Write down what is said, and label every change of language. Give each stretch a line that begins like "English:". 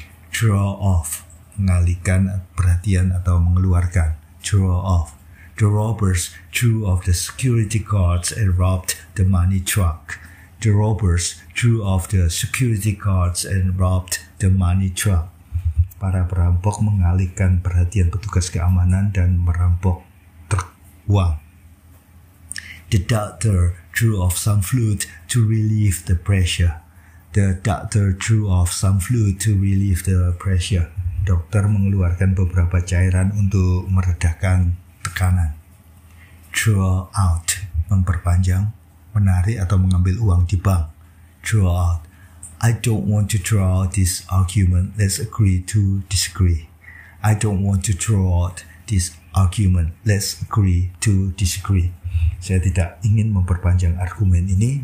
Indonesian: Draw off, mengalihkan perhatian atau mengeluarkan. Draw off.
English: The robbers drew off the security guards and robbed the money truck. The robbers drew off the security guards and robbed the money truck.
Indonesian: Para perampok mengalihkan perhatian petugas keamanan dan merampok truk uang.
English: The doctor drew off some fluid to relieve the pressure. The doctor drew off some fluid to relieve the pressure.
Indonesian: Dokter mengeluarkan beberapa cairan untuk meredakan tekanan. draw out, memperpanjang, menarik atau mengambil uang di bank. Draw out.
English: I don't want to draw this argument. Let's agree to disagree. I don't want to draw out this argument. Let's agree to disagree.
Indonesian: Saya tidak ingin memperpanjang argumen ini.